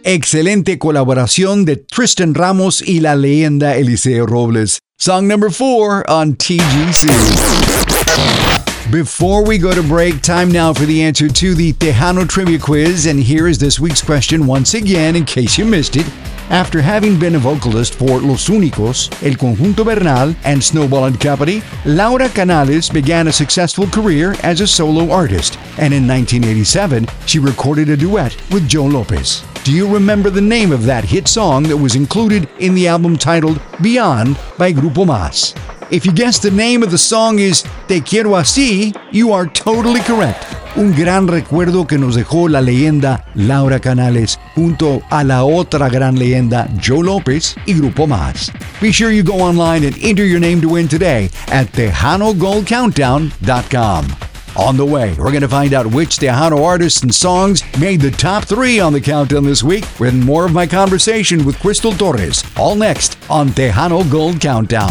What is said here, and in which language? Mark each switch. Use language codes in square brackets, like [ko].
[es] Excelente colaboración de Tristan Ramos y la leyenda Eliseo Robles. [en] Song number 4 on TGC. Before we go to break, time now for the answer to the Tejano Trivia Quiz. And here is this week's question once again, in case you missed it. After having been a vocalist for Los Únicos, El Conjunto Bernal, and Snowball and Company, Laura Canales began a successful career as a solo artist, and in 1987, she recorded a duet with Joe Lopez. Do you remember the name of that hit song that was included in the album titled Beyond by Grupo Mas? If you guess the name of the song is Te Quiero Así, you are totally correct. [es] Un gran recuerdo que nos dejó la leyenda Laura Canales junto a la otra gran leyenda Joe Lopez y Grupo Mas. [en] Be sure you go online and enter your name to win today at TejanoGoldCountdown.com. On the way, we're going to find out which Tejano artists and songs made the top three on the countdown this week with more of my conversation with Crystal Torres, all next on Tejano Gold Countdown.